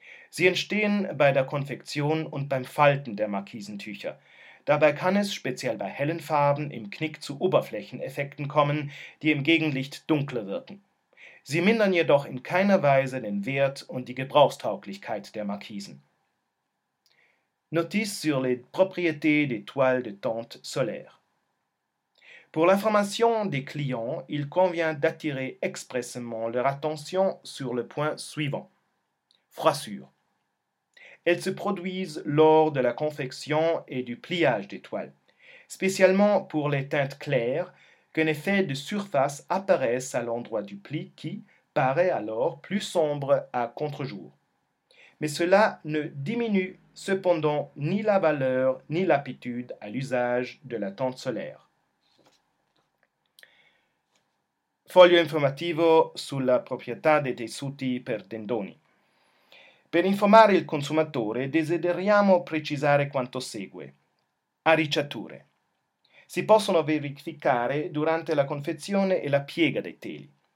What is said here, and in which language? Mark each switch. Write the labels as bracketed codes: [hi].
[de] Sie entstehen bei der Konfektion und beim Falten der Markisentücher. Dabei kann es, speziell bei hellen Farben, im Knick zu Oberflächeneffekten kommen, die im Gegenlicht dunkler wirken. Sie mindern jedoch in keiner Weise den Wert und die Gebrauchstauglichkeit der Markisen. [fr] Notice sur les propriétés des toiles de tente solaire. Pour l'information des clients, il convient d'attirer expressément leur attention sur le point suivant. Froissure. Elles se produisent lors de la confection et du pliage des toiles. Spécialement pour les teintes claires, qu'un effet de surface apparaisse à l'endroit du pli qui paraît alors plus sombre à contre-jour. Mais cela ne diminue cependant ni la valeur ni l'aptitude à l'usage de la tente solaire. [it] Foglio informativo sulla proprietà dei tessuti per tendoni. Per informare il consumatore desideriamo precisare quanto segue. Arricciature. Si possono verificare durante la confezione e la piega dei teli.